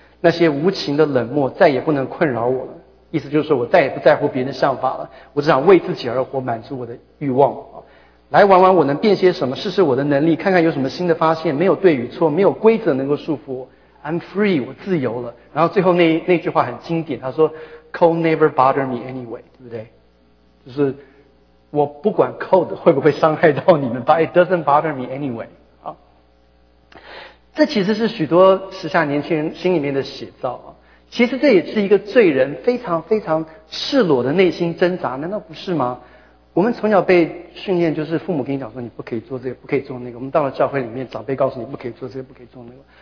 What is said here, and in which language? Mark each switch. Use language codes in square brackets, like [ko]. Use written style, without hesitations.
[zh] 那些无情的冷漠再也不能困扰我了。意思就是说，我再也不在乎别人的想法了，我只想为自己而活，满足我的欲望，来玩玩我能变些什么，试试我的能力，看看有什么新的发现。没有对与错，没有规则能够束缚我， [en] I'm free， [zh] 我自由了。然后最后那句话很经典，他说 [en] Cold never bother me anyway， [zh] 对不对？就是我不管 cold 会不会伤害到你们 ， [en] but it doesn't bother me anyway。 [zh] 好，这其实是许多时下年轻人心里面的写照啊。其实这也是一个罪人非常非常赤裸的内心挣扎，难道不是吗？我们从小被训练，就是父母跟你讲说你不可以做这个，不可以做那个。我们到了教会里面，长辈告诉你不可以做这个，不可以做那个。